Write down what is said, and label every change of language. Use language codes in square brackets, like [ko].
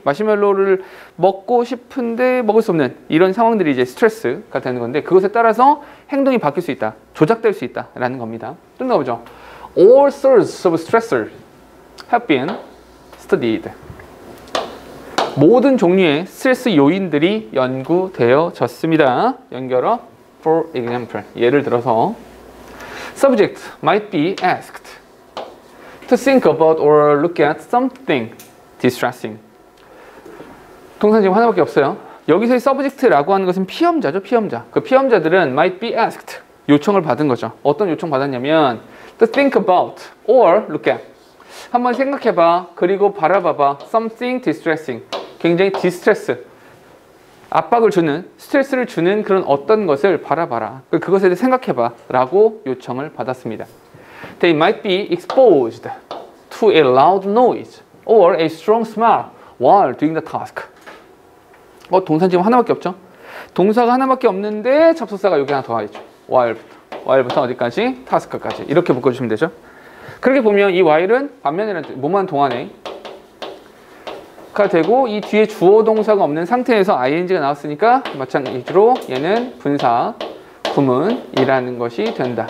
[ko] 마시멜로우를 먹고 싶은데 먹을 수 없는 이런 상황들이 이제 스트레스가 되는 건데 그것에 따라서 행동이 바뀔 수 있다. 조작될 수 있다라는 겁니다. 또 나오죠. [en] All sorts of stressors have been studied. [ko] 모든 종류의 스트레스 요인들이 연구되어졌습니다. [en] 연결어 for example. [ko] 예를 들어서 [en] Subject might be asked to think about or look at something distressing. [ko] 동사 지금 하나밖에 없어요. 여기서의 subject라고 하는 것은 피험자죠, 피험자. 그 피험자들은 [en] might be asked, [ko] 요청을 받은 거죠. 어떤 요청 받았냐면 [en] to think about or look at. [ko] 한번 생각해봐, 그리고 바라봐봐. [en] Something distressing. [ko] 굉장히 디스트레스, 압박을 주는, 스트레스를 주는 그런 어떤 것을 바라봐라. 그것에 대해 생각해봐 라고 요청을 받았습니다. [en] They might be exposed to a loud noise or a strong smell while doing the task. [ko] 동사 지금 하나밖에 없죠? 동사가 하나밖에 없는데 접속사가 여기 하나 더 와있죠. while부터 어디까지? task까지 이렇게 묶어주시면 되죠. 그렇게 보면 이 while은 반면이라는, 뭐만 동안에 가 되고 이 뒤에 주어 동사가 없는 상태에서 ing가 나왔으니까 마찬가지로 얘는 분사 구문이라는 것이 된다.